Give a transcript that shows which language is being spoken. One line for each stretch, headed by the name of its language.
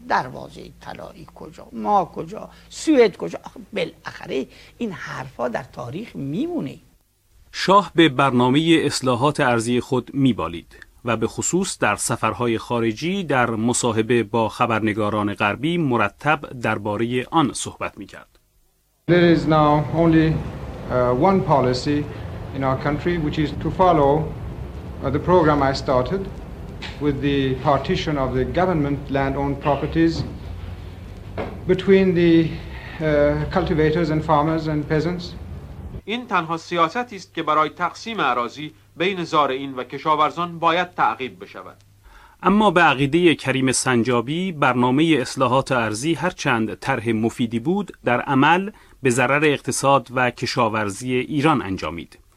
Persian: دروازه طلایی کجا، ما کجا، سوئد کجا؟ بالاخره این حرفا در تاریخ میمونه. شاه به برنامه اصلاحات ارضی خود میبالید و به خصوص در سفرهای خارجی در مصاحبه با خبرنگاران غربی مرتب درباره آن صحبت میکرد.
English: There is now only one policy in our country which is to follow the program I started with the partition of the government land owned properties between the cultivators and farmers and peasants.
Persian: این تنها سیاستی است که برای تقسیم اراضی بین زارعین و کشاورزان باید تعقیب بشود. اما به عقیده کریم سنجابی برنامه اصلاحات ارضی هرچند طرح مفیدی بود، در عمل به ضرر اقتصاد و کشاورزی ایران انجامید.